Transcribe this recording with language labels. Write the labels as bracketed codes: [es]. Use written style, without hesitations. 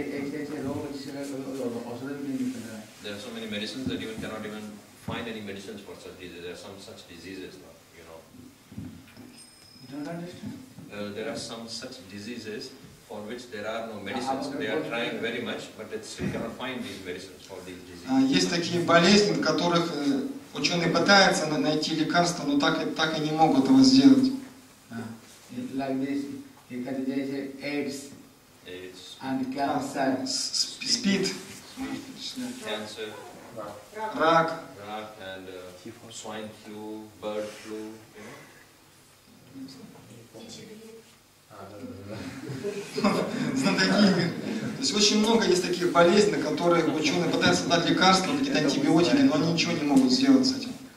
[en] There are so many medicines that even cannot even find any medicines for such diseases. There are some such diseases, you know. You don't understand? There are some such diseases for which there are no medicines. They are trying very much, but they still cannot find these medicines for these diseases. [ru] Есть такие болезни, в которых ученые пытаются найти лекарство, но так и не могут этого сделать. [en] Like this, AIDS. AIDS, and speed, cancer, rak, rak and swine flu, bird flu, you know. [ru] такие, то есть очень много есть таких болезней, на которые ученые пытаются дать лекарства, какие-то антибиотики, но они ничего не могут сделать с этим.